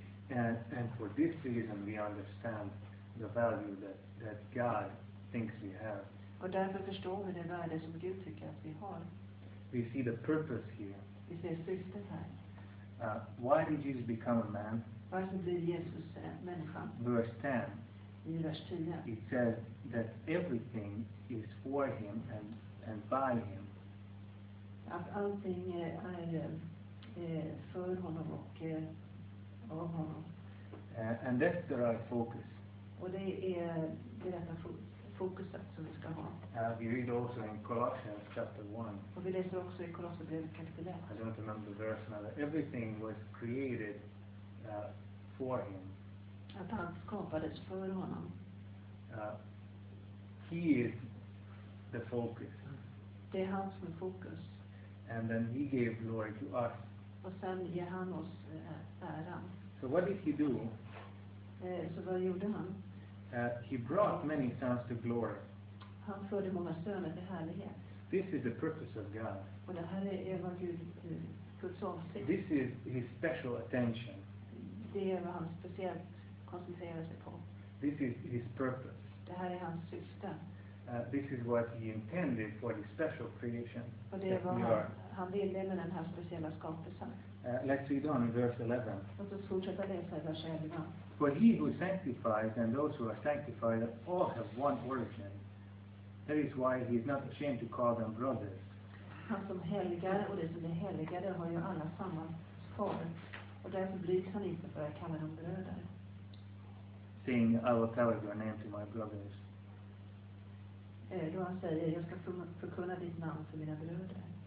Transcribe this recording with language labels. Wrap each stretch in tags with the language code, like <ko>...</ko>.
<en>And for this reason we understand the value that God thinks we have.</en> <sv>Och därför förstår vi det värde som Gud tycker att vi har.</sv> <en>We see the purpose here.</en> <sv>Vi ser syftet här.</sv> <en>Why did Jesus become a man?</en> <sv>Varför blev Jesus människa?</sv> <en>Verse 10.</en> <sv>I vers 10.</sv> <en>It says that everything is for him and by him.</en> <sv>Att allting är för honom och av honom.</sv> <en>And that's the right focus.</en> <sv>Och det är det rätta fokuset som vi ska ha.</sv> <en>We read also in Colossians chapter 1.</en> <sv>Och vi läser också i Kolosserbrevet kapitel 1.</sv> <en>I don't remember the verse now. Everything was created for him.</en> <sv>Att allt skapades för honom.</sv> <en>He is the focus.</en> <sv>Det är han som är fokus.</sv> <en>And then he gave glory to us.</en> <sv>Och sen ger han oss äran.</sv> <en>So what did he do?</en> <sv>Så vad gjorde han?</sv> <en>He brought many sons to glory.</en> <sv>Han förde många söner till härlighet.</sv> <en>This is the purpose of God.</en> <sv>Och det här är vad Guds avsikt.</sv> <en>This is his special attention.</en> <sv>Det är vad han speciellt koncentrerar sig på.</sv> <en>This is his purpose.</en> <sv>Det här är hans syfte.</sv> <en>This is what he intended for the special creation.</en> <sv>Och det är vad han ville med den här speciella skapelsen.</sv> <en>Let's read on in verse 11.</en> <sv>Låt oss fortsätta läsa i vers 11.</sv> <en>For he who sanctifies and those who are sanctified all have one origin. That is why he is not ashamed to call them brothers.</en> <sv>Han som helgar och det som är helgade har ju alla samma far. Och därför blygs han inte för att kalla dem bröder.</sv> <en>Saying, I will tell your name to my brothers.</en> <sv>Då han säger, jag ska förkunna ditt namn för mina bröder.</sv>